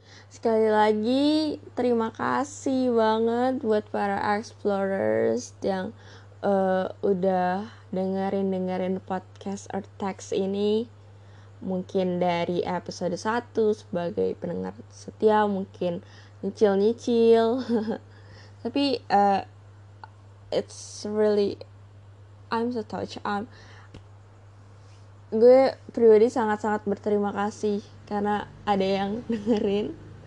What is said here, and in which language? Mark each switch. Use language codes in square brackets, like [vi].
[id] Sekali lagi, terima kasih banget buat para explorers yang udah dengerin-dengerin podcast Earth Text ini. Mungkin dari episode 1 sebagai pendengar setia, mungkin nyicil-nyicil. Tapi [en] it's really, I'm so touched. [id] Gue pribadi sangat-sangat berterima kasih karena ada yang dengerin.